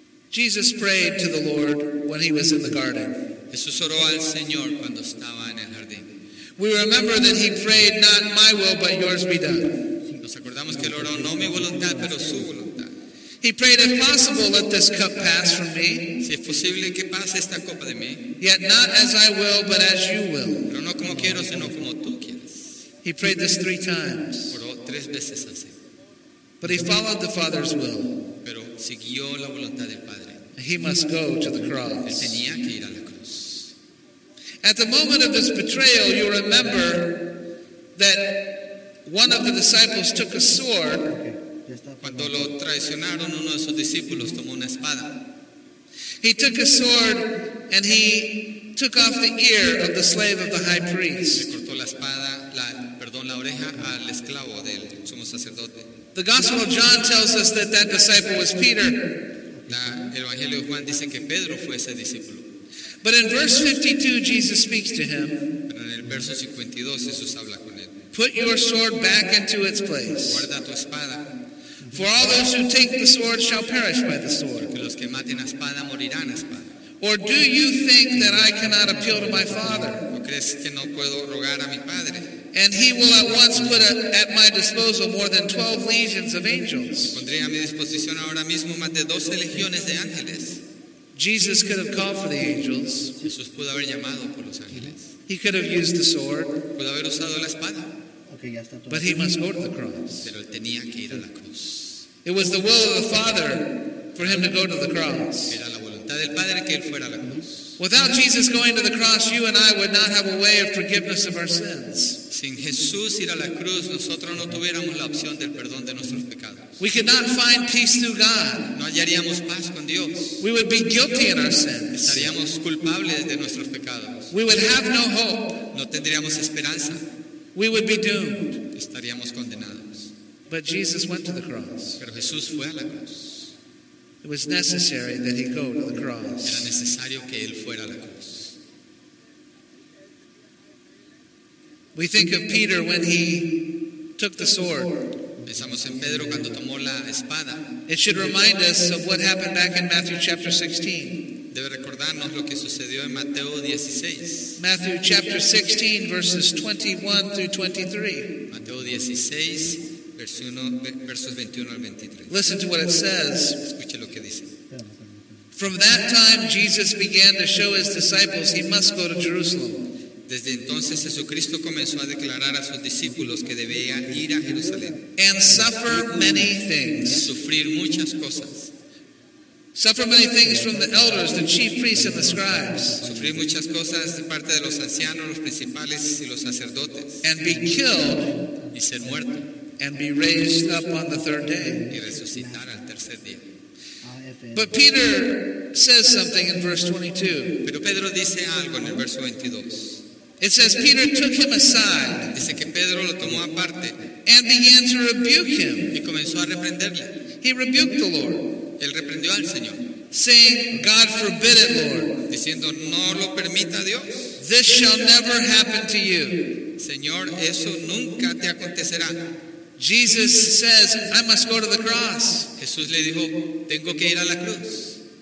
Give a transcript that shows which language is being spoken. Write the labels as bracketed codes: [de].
[en] Jesus prayed to the Lord when he was in the garden. [es] Jesús oró al Señor cuando estaba en el jardín. [en] We remember that he prayed, not my will, but yours be done. [es] Nos Digamos que el oro no mi voluntad, pero su voluntad. [en] He prayed, if possible, let this cup pass from me. [es] Si es posible que pase esta copa de mí. [en] Yet not as I will, but as you will. [es] Pero no como quiero, sino como tú quieres. [en] He prayed this three times. [es] Oró tres veces así. [en] But he followed the Father's will. [es] Pero siguió la voluntad del Padre. [en] He must go to the cross. [es] Él tenía que ir a la cruz. [en] At the moment of his betrayal, you remember that one of the disciples took a sword. [es] Cuando lo traicionaron, uno de sus discípulos tomó una espada. [en] He took a sword and he took off the ear of the slave of the high priest. [es] Le cortó la espada, la oreja al esclavo del sumo sacerdote. [en] The Gospel of John tells us that that disciple was Peter. [es] El Evangelio de Juan dice que Pedro fue ese discípulo. [en] But in verse 52, Jesus speaks to him. [es] Pero en el verso 52, Jesús habla con él. [en] Put your sword back into its place. [es] Guarda tu espada. [en] For all those who take the sword shall perish by the sword. [es] Porque los que maten a espada morirán a espada. [en] Or do you think that I cannot appeal to my Father? [es] ¿O crees que no puedo rogar a mi Padre? [en] And he will at once put at my disposal more than 12 legions of angels. [es] Pondré a mi disposición ahora mismo más de 12 legiones de ángeles. [en] Jesus could have called for the angels. [es] Jesús pudo haber llamado por los ángeles. [en] He could have used the sword. [es] Pudo haber usado la espada. [en] But he must go to the cross. [es] Pero él tenía que ir a la cruz. [en] It was the will of the Father for him to go to the cross. [es] Era la voluntad del Padre que él fuera a la cruz. [en] Without Jesus going to the cross, you and I would not have a way of forgiveness of our sins. [es] Sin Jesús ir a la cruz, nosotros no tuviéramos la opción del perdón de nuestros pecados. [en] We could not find peace through God. [es] No hallaríamos paz con Dios. [en] We would be guilty in our sins. [es] Estaríamos culpables de nuestros pecados. [en] We would have no hope. [es] No tendríamos esperanza. [en] We would be doomed. [es] Estaríamos condenados. [en] But Jesus went to the cross. [es] Pero Jesús fue a la cruz. [en] It was necessary that he go to the cross. [es] Era necesario que él fuera a la cruz. [en] We think of Peter when he took the sword. [es] Pensamos en Pedro cuando tomó la espada. [en] It should remind us of what happened back in Matthew chapter 16. [es] Debe recordarnos lo que sucedió en Mateo 16. [en] Matthew chapter 16, verses 21 through 23. [es] Mateo 16. Versos 21 al 23. [en] Listen to what it says. [es] Escuche lo que dice. [en] From that time Jesus began to show his disciples he must go to Jerusalem. [es] Desde entonces Jesucristo comenzó a declarar a sus discípulos que debía ir a Jerusalén. [en] And suffer many things. [es] Sufrir muchas cosas. [en] Suffer many things from the elders, the chief priests and the scribes. [es] Sufrir muchas cosas de parte de los ancianos, los principales y los sacerdotes. [en] And be killed. [es] Y ser muerto. [en] And be raised up on the third day. [es] Y resucitar al tercer día. [en] But Peter says something in verse 22. [es] Pero Pedro dice algo en el verso 22. [en] It says Peter took him aside. [es] Dice que Pedro lo tomó aparte. [en] And began to rebuke him. [es] Y comenzó a reprenderle. [en] He rebuked the Lord. [es] Él reprendió al Señor. [en] Saying, God forbid it, Lord. [es] Diciendo, no lo permita Dios. [en] This shall never happen to you. [es] Señor, eso nunca te acontecerá. [en] Jesus says, I must go to the cross. [es] Jesús le dijo, tengo que ir a la cruz.